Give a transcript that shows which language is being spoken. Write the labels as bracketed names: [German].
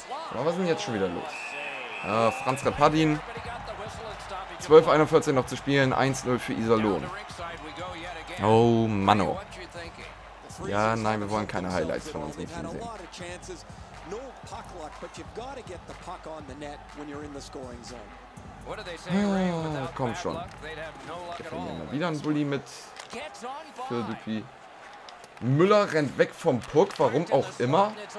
[German] Aber was ist denn jetzt schon wieder los? Franz Repadin. 12:41 noch zu spielen. 1:0 für Iserlohn. Oh, Manno. Ja, nein, wir wollen keine Highlights von unserem Team sehen. [English] No puck luck, but you've got to get the puck on the net when you're in the scoring zone. [German] Komm schon. Wir verlieren mal wieder einen Bulli mit für Dupi. Müller rennt weg vom Puck, warum auch immer.